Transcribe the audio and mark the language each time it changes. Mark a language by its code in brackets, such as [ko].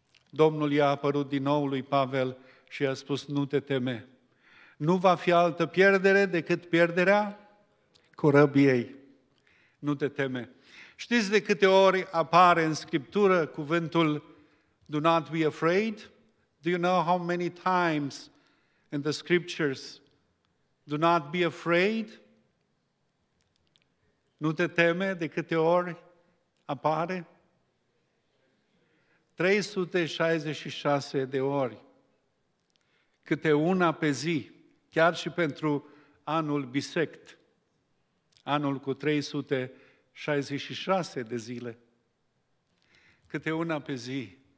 [ro] Domnul i-a apărut din nou lui Pavel și i-a spus, nu te teme. Nu va fi altă pierdere decât pierderea corabiei. Nu te teme. Știți de câte ori apare în Scriptură cuvântul [en] do not be afraid? Do you know how many times in the Scriptures do not be afraid? [ro] Nu te teme de câte ori apare? 366 de ori, câte una pe zi, chiar și pentru anul bisect, anul cu 366 de zile, câte una pe zi.